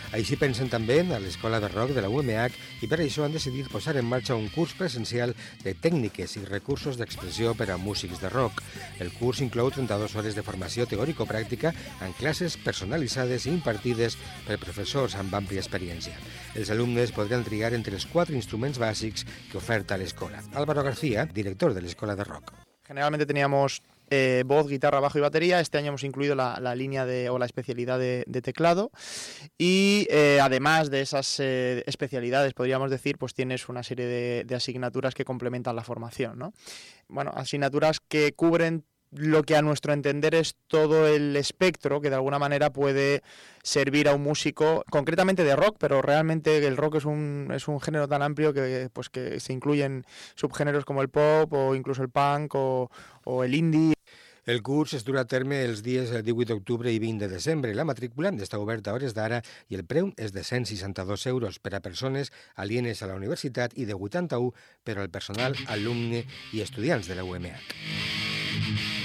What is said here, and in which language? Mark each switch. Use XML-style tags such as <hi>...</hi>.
<ca>Així pensen també a l'Escola de Rock de la UMH i per això han decidit posar en marxa un curs presencial de tècniques i recursos d'expressió per a músics de rock. El curs inclou 32 hores de formació teòrico-pràctica en classes personalitzades i impartides per professors amb àmplia experiència. Els alumnes podran triar entre els 4 instruments bàsics que oferta l'escola. Álvaro García, director de l'Escola de Rock.</ca> <es>Generalmente teníamos voz, guitarra, bajo y batería. Este año hemos incluido la línea de o la especialidad de teclado. Y además de esas especialidades, podríamos decir, pues tienes una serie de asignaturas que complementan la formación, ¿no? Bueno, asignaturas que cubren lo que a nuestro entender es todo el espectro que de alguna manera puede servir a un músico, concretamente de rock, pero realmente el rock es un género tan amplio que se incluyen subgéneros como el pop o incluso el punk o el indie.</es> <ca>El curs es durà a terme els dies 18 d'octubre i 20 de desembre. La matrícula està oberta a hores d'ara i el preu és de 162 euros per a persones alienes a la universitat i de 81 per al personal, alumne i estudiants de la UMH.</ca>